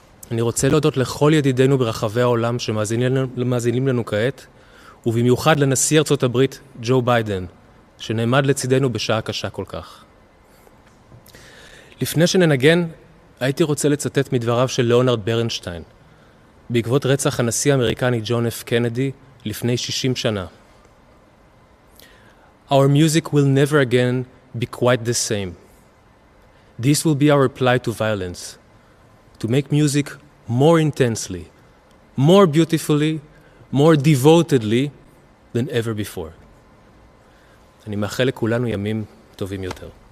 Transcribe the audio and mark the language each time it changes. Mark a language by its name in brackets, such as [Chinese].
[Hebrew] אני רוצה להודות לכל ידידינו ברחבי העולם שמאזינים לנו כעת, ובמיוחד לנשיא ארצות הברית ג'ו ביידן, שנעמד לצידנו בשעה קשה כל כך. לפני שננגן, הייתי רוצה לצטט מדבריו של ליאונרד ברנשטיין, בעקבות רצח הנשיא האמריקני ג'ון אף קנדי לפני 60 שנה. [English] Our music will never again be quite the same. This will be our reply to violence, to make music more intensely, more beautifully, more devotedly than ever before. [Hebrew] אני מאחל לכולנו ימים טובים יותר.